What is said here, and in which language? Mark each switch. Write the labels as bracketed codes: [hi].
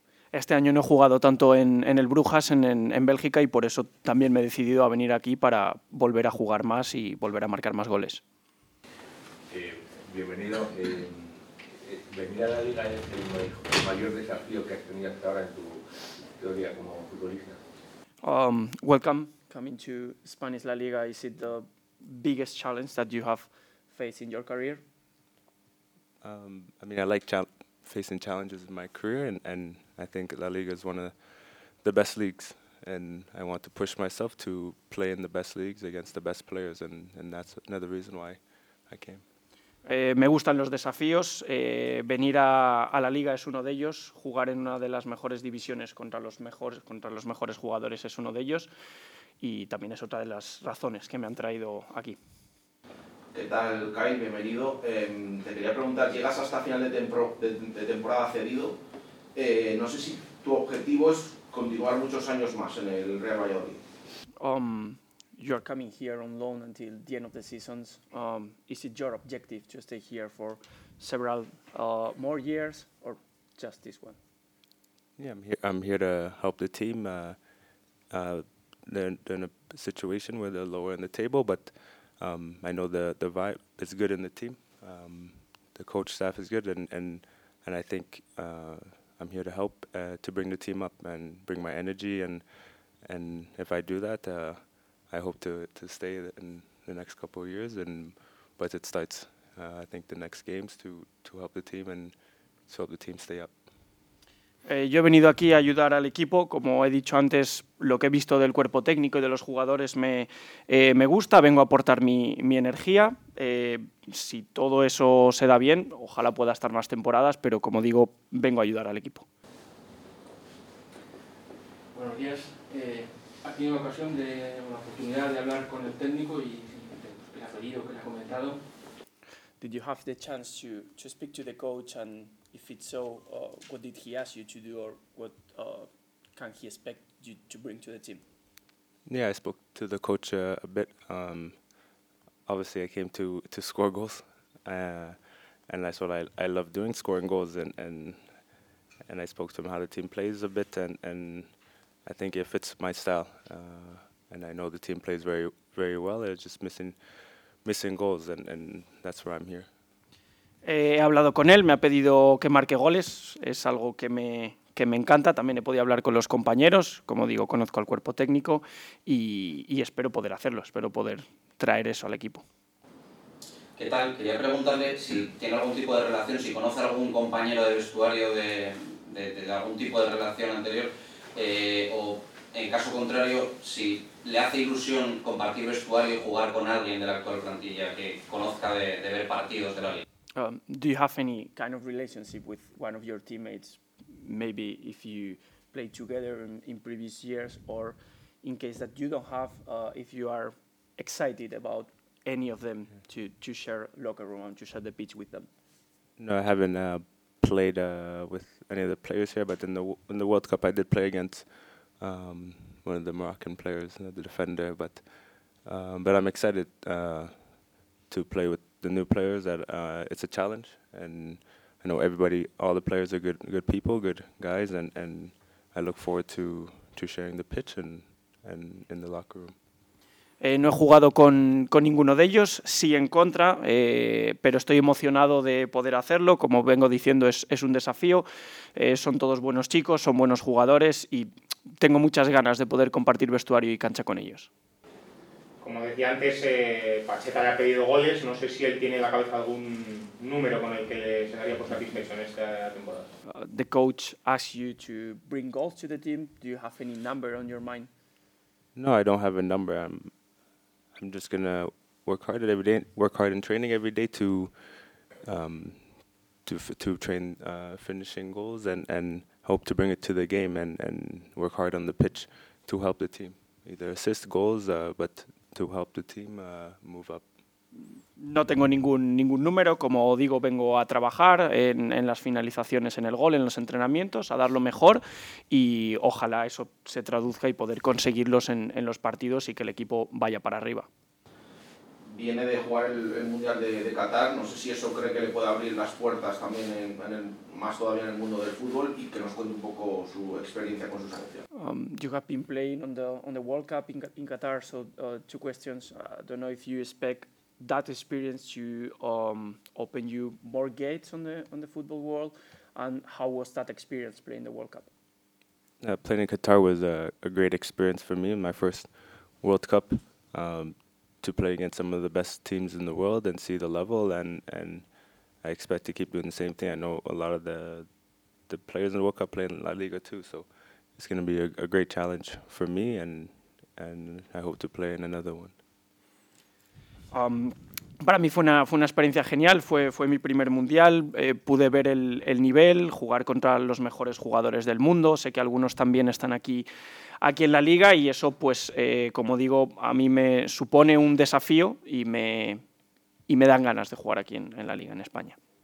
[es] Este año no he jugado tanto en el Brujas, en Bélgica, y por eso también me he decidido a venir aquí para volver a jugar más y volver a marcar más goles. Bienvenido. Venir a la Liga es el mayor desafío que has tenido hasta ahora en tu historia como futbolista. [en] Welcome. Coming to Spanish La Liga, is it the biggest challenge that you have faced in your career? I mean, I like facing challenges in my career, and I think La Liga is one of the best leagues, and I want to push myself to play in the best leagues against the best players, and that's another reason why I came. [es] Me gustan los desafíos. Venir a la Liga es uno de ellos. Jugar en una de las mejores divisiones contra los mejores jugadores es uno de ellos. Y también es otra de las razones que me han traído aquí. ¿Qué tal, Kai? Bienvenido. Te quería preguntar, llegas hasta final de temporada cedido. No sé si tu objetivo es continuar muchos años más en el Real Valladolid. [en] You are coming here on loan until the end of the season. Is it your objective to stay here for several more years, or just this one? Yeah, I'm here. I'm here to help the team. They're in a situation where they're lower in the table, but I know the vibe is good in the team. The coach staff is good, and I think I'm here to help to bring the team up and bring my energy, and if I do that. I hope to stay in the next couple of years, but it starts, I think, the next games to help the team and to help the team stay up. [es] Yo he venido aquí a ayudar al equipo. Como he dicho antes, lo que he visto del cuerpo técnico y de los jugadores me gusta. Vengo a aportar mi energía. Si todo eso se da bien, ojalá pueda estar más temporadas, pero como digo, vengo a ayudar al equipo. Buenos días. Ha tenido ocasión de una oportunidad de hablar con el técnico y el apellido que le ha comentado. [en] Did you have the chance to speak to the coach, and if it's so, what did he ask you to do, or what can he expect you to bring to the team? Yeah, I spoke to the coach a bit. Obviously, I came to score goals, and that's what I love doing, scoring goals. And I spoke to him how the team plays a bit, and I think it fits my style, and I know the team plays very, very well. They're just missing goals, and that's where I'm here. [es] He hablado con él. Me ha pedido que marque goles. Es algo que me encanta. También he podido hablar con los compañeros. Como digo, conozco al cuerpo técnico, y espero poder hacerlo. Espero poder traer eso al equipo. ¿Qué tal? Quería preguntarle si tiene algún tipo de relación, si conoce algún compañero de vestuario de algún tipo de relación anterior. O en caso contrario, si le hace ilusión compartir vestuario y jugar con alguien de la actual plantilla que conozca de ver partidos de la liga. [en] Do you have any kind of relationship with one of your teammates? Maybe if you played together in previous years, or in case that you don't have, if you are excited about any of them to share locker room and to share the pitch with them. No, I haven't. Played with any of the players here, but in the World Cup I did play against one of the Moroccan players, the defender. But I'm excited to play with the new players. That it's a challenge, and I know everybody, all the players are good people, good guys, and I look forward to sharing the pitch and in the locker room. [es] No he jugado con ninguno de ellos, sí en contra, pero estoy emocionado de poder hacerlo. Como vengo diciendo, es un desafío. Son todos buenos chicos, son buenos jugadores y tengo muchas ganas de poder compartir vestuario y cancha con ellos. Como decía antes, Pacheta le ha pedido goles. No sé si él tiene en la cabeza algún número con el que se daría por satisfecho en esta temporada. [en] The coach asked you to bring goals to the team. Do you have any number on your mind? No, I don't have a number. I'm just gonna work hard every day. Work hard in training every day to train finishing goals and hope to bring it to the game and work hard on the pitch to help the team either assist goals but to help the team move up. [es] No tengo ningún número. Como digo, vengo a trabajar en las finalizaciones, en el gol, en los entrenamientos, a dar lo mejor, y ojalá eso se traduzca y poder conseguirlos en los partidos y que el equipo vaya para arriba. Viene de jugar el Mundial de Qatar. No sé si eso cree que le puede abrir las puertas también más todavía en el mundo del fútbol, y que nos cuente un poco su experiencia con su selección. [en] You have been playing on the World Cup in Qatar, so two questions. I don't know if you expect that experience to open you more gates on the football world, and how was that experience playing the World Cup? Playing in Qatar was a great experience for me, my first World Cup. to play against some of the best teams in the world and see the level, and I expect to keep doing the same thing. I know a lot of the players in the World Cup play in La Liga too, so it's going to be a great challenge for me, and I hope to play in another one. [es] Para mí fue una experiencia genial, fue mi primer mundial, pude ver el nivel, jugar contra los mejores jugadores del mundo, sé que algunos también están aquí en la liga y eso, pues, como digo, a mí me supone un desafío y me dan ganas de jugar aquí en la liga, en España.